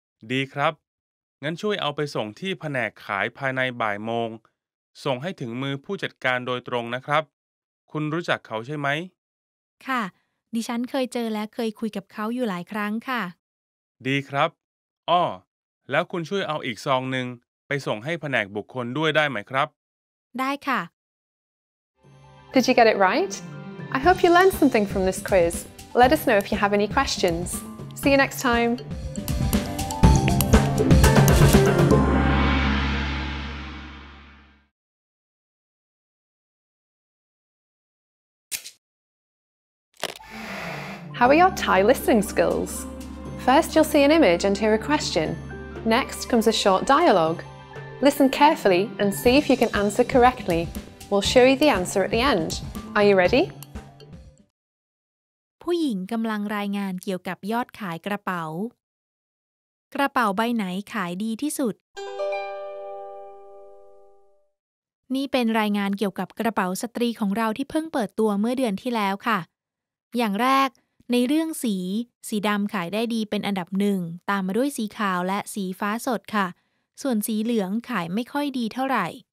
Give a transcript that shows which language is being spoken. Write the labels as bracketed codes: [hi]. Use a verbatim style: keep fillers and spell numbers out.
[th] ดีครับงั้นช่วยเอาไปส่งที่แผนกขายภายในบ่ายโมงส่งให้ถึงมือผู้จัดการโดยตรงนะครับคุณรู้จักเขาใช่ไหม ค่ะดิฉันเคยเจอและเคยคุยกับเขาอยู่หลายครั้งค่ะ ดีครับอ้อแล้วคุณช่วยเอาอีกซองนึงไปส่งให้แผนกบุคคลด้วยได้ไหมครับ ได้ค่ะ [en] Did you get it right? I hope you learned something from this quiz. Let us know if you have any questions. See you next time. How are your Thai listening skills? First, you'll see an image and hear a question. Next comes a short dialogue. Listen carefully and see if you can answer correctly. We'll show you the answer at the end. Are you ready? [th] ผู้หญิงกำลังรายงานเกี่ยวกับยอดขายกระเป๋ากระเป๋าใบไหนขายดีที่สุดนี่เป็นรายงานเกี่ยวกับกระเป๋าสตรีของเราที่เพิ่งเปิดตัวเมื่อเดือนที่แล้วค่ะอย่างแรกในเรื่องสีสีดำขายได้ดีเป็นอันดับหนึ่งตามมาด้วยสีขาวและสีฟ้าสดค่ะส่วนสีเหลืองขายไม่ค่อยดีเท่าไหร่